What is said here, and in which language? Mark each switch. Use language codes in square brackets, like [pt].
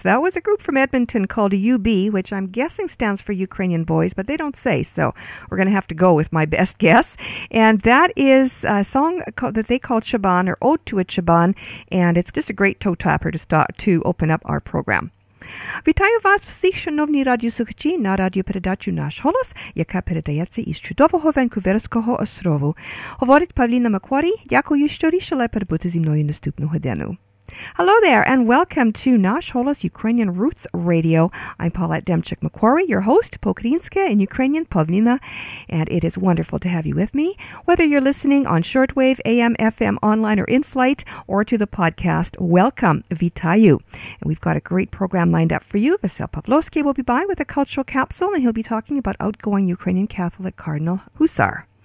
[en] That was a group from Edmonton called UB, which I'm guessing stands for Ukrainian Boys, but they don't say, so we're going to have to go with my best guess. And that is a song that they called Shaban, or Ode to a Shaban, and it's just a great toe-tapper to start to open up our program. [uk] Вітаю вас всіх, шановні радіослухачі, на радіопередачу «Наш голос», яка передається із чудового Ванкуверського острову. Говорить Павліна Макварі, дякую, що рішила перебути зі мною наступну годину. [en] Hello there, and welcome to Nash Holos Ukrainian Roots Radio. I'm Paulette Demchuk-McQuarrie, your host, Pokrinska in Ukrainian, Povnina, and it is wonderful to have you with me. Whether you're listening on shortwave, AM, FM, online, or in flight, or to the podcast, welcome, Vitayu. And we've got a great program lined up for you. Vasil Pavlovsky will be by with a cultural capsule, and he'll be talking about outgoing Ukrainian Catholic Cardinal Husar.